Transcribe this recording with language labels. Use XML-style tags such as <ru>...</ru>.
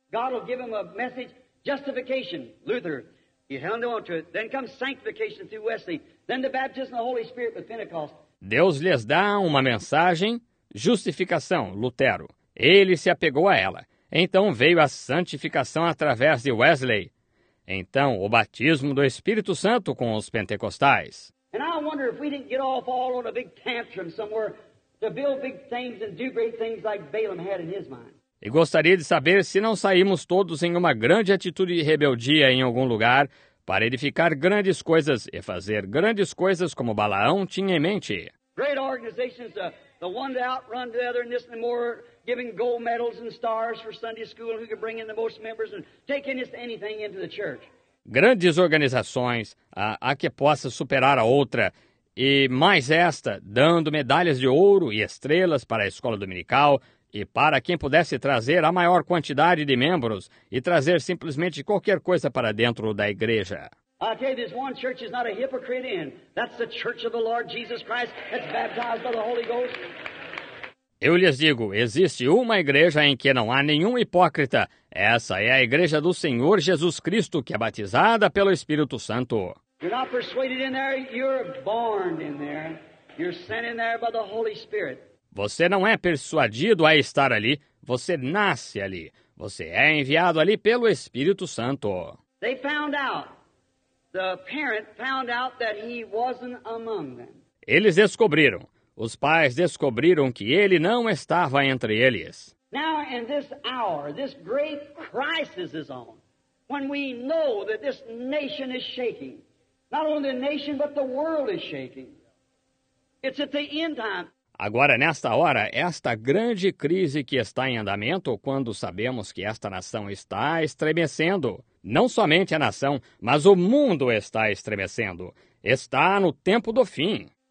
<en>God will give him a message, justification, Luther. He held on to it. Then comes sanctification through Wesley. Then the baptism of the Holy Spirit with Pentecost.</en> <pt>Deus lhes dá uma mensagem, justificação, Lutero. Ele se apegou a ela. Então veio a santificação através de Wesley. Então o batismo do Espírito Santo com os pentecostais. E eu</pt> <en>wonder if we didn't get off all on a big tantrum somewhere to build big things and do great things like Balaam had in his mind.</en> <pt>E gostaria de saber se não saímos todos em uma grande atitude de rebeldia em algum lugar para edificar grandes coisas e fazer grandes coisas como Balaão tinha em mente.</pt> <en>Great organizations, the one to outrun the other in this and more, giving gold medals and stars for Sunday school, who can bring in the most members and take anything into the church.</en> <pt>Grandes organizações, a que possa superar a outra, e mais esta, dando medalhas de ouro e estrelas para a escola dominical, e para quem pudesse trazer a maior quantidade de membros e trazer simplesmente qualquer coisa para dentro da igreja.</pt> <en>I tell you, this one church is not a hypocrite in. That's the church of the Lord Jesus Christ that's baptized by the Holy Ghost.</en> <pt>Eu lhes digo, existe uma igreja em que não há nenhum hipócrita. Essa é a igreja do Senhor Jesus Cristo, que é batizada pelo Espírito Santo.</pt> <en>You're not persuaded in there, you're born in there. You're sent in there by the Holy Spirit.</en> <pt>Você não é persuadido a estar ali, você nasce ali. Você é enviado ali pelo Espírito Santo.</pt> <en>They found out. The parent found out that he wasn't among them.</en> <pt>Eles descobriram. Os pais descobriram que ele não estava entre eles.</pt> <en>Now in this hour, this great crisis is on. When we know that this nation is shaking. Not only the nation, but the world is shaking. It's at the end time.</en> <pt>Agora, nesta hora, esta grande crise que está em andamento, quando sabemos que esta nação está estremecendo, não somente a nação, mas o mundo está estremecendo, está no tempo do fim.</pt>